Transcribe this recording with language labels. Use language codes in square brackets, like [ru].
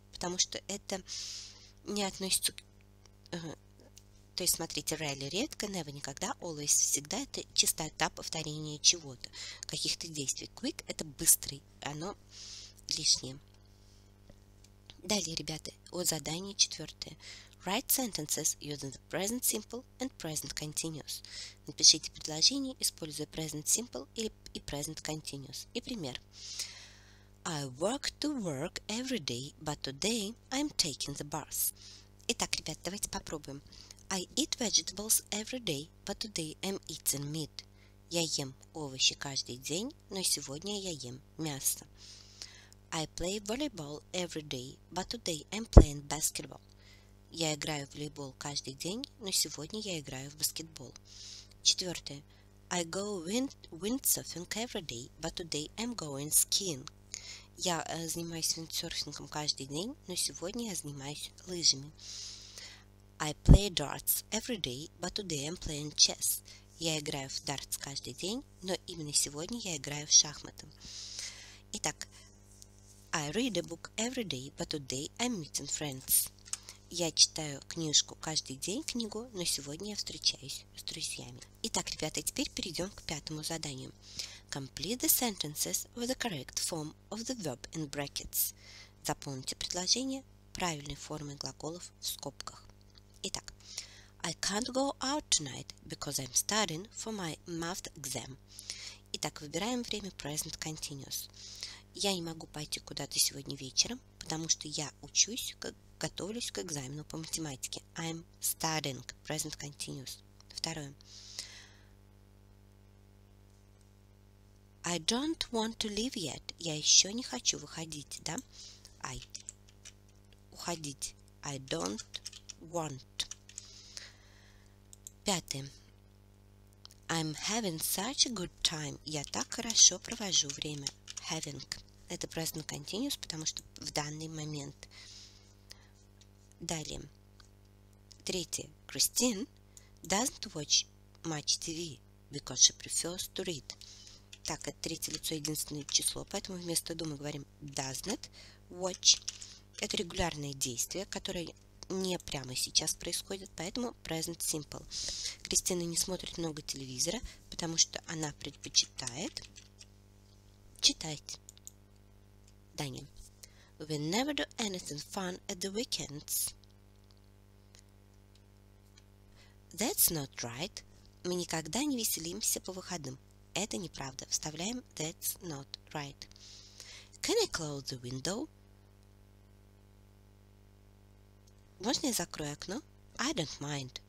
[ru] Потому что это не относится... То есть, смотрите, rarely редко, never никогда, always всегда. Это частота повторения чего-то, каких-то действий. Quick – это быстрый. Оно лишнее. Далее, ребята, о задании четвертое. [en] Write sentences using the present simple and present continuous. [ru] Напишите предложение, используя present simple и present continuous. И пример. [en] I work to work every day, but today I'm taking the bus. [ru] Итак, ребят, давайте попробуем. [en] I eat vegetables every day, but today I'm eating meat. [ru] Я ем овощи каждый день, но сегодня я ем мясо. [en] I play volleyball every day, but today I'm playing basketball. [ru] Я играю в волейбол каждый день, но сегодня я играю в баскетбол. Четвертое. [en] I go windsurfing every day, but today I'm going skiing. [ru] Я занимаюсь виндсерфингом каждый день, но сегодня я занимаюсь лыжами. [en] I play darts every day, but today I'm playing chess. [ru] Я играю в дартс каждый день, но именно сегодня я играю в шахматы. [en] Итак, I read a book every day, but today I'm meeting friends. [ru] Я читаю книжку каждый день, книгу, но сегодня я встречаюсь с друзьями. Итак, ребята, теперь перейдем к пятому заданию. [en] Complete the sentences with the correct form of the verb in brackets. [ru] Заполните предложение правильной формой глаголов в скобках. [en] Итак, I can't go out tonight because I'm studying for my math exam. [ru] Итак, выбираем время present continuous. Я не могу пойти куда-то сегодня вечером, потому что я учусь, готовлюсь к экзамену по математике. [en] I'm studying, present continuous. [ru] Второе. [en] I don't want to leave yet. [ru] Я еще не хочу выходить, да? [en] I. [ru] Уходить. [en] I don't want. [ru] Пятое. [en] I'm having such a good time. [ru] Я так хорошо провожу время. Having. Это present continuous, потому что в данный момент. Далее. Третье. [en] Christine doesn't watch much TV because she prefers to read. [ru] Так, это третье лицо, единственное число, поэтому вместо do мы говорим doesn't watch. Это регулярное действие, которое не прямо сейчас происходит, поэтому present simple. Кристина не смотрит много телевизора, потому что она предпочитает читать. Даня. [en] We never do anything fun at the weekends. That's not right. [ru] Мы никогда не веселимся по выходным. Это неправда. Вставляем [en] that's not right. Can I close the window? [ru] Можно я закрою окно? [en] I don't mind.